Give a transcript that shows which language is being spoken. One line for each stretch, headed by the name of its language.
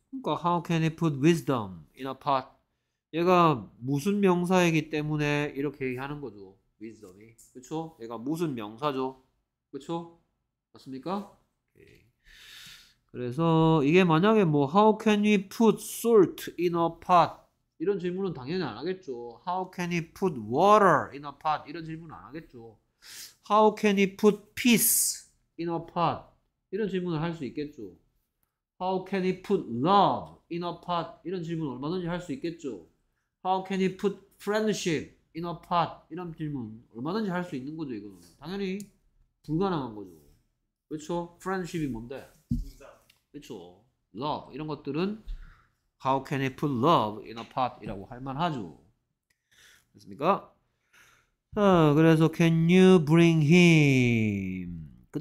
Korean: 그러니까
English: How can he put wisdom in a pot?
Korean: 얘가 무슨 명사이기 때문에 이렇게 얘기하는 거죠. wisdom이 그쵸? 얘가 무슨 명사죠? 그쵸? 맞습니까? 그래서 이게 만약에 뭐
English: How can we put salt in a pot?
Korean: 이런 질문은 당연히 안 하겠죠.
English: How can we put water in a pot?
Korean: 이런 질문은 안 하겠죠.
English: How can we put peace in a pot?
Korean: 이런 질문을 할수 있겠죠.
English: How can he put love in a pot?
Korean: 이런 질문을 얼마든지 할수 있겠죠.
English: How can he put friendship in a pot?
Korean: 이런 질문 얼마든지 할수 있는 거죠, 이거는. 당연히 불가능한 거죠. 그렇죠? Friendship이 뭔데? 그렇죠.
English: Love
Korean: 이런 것들은
English: How can he put love in a pot?
Korean: 이라고 할 만하죠. 됐습니까? 자, 그래서
English: can you bring him?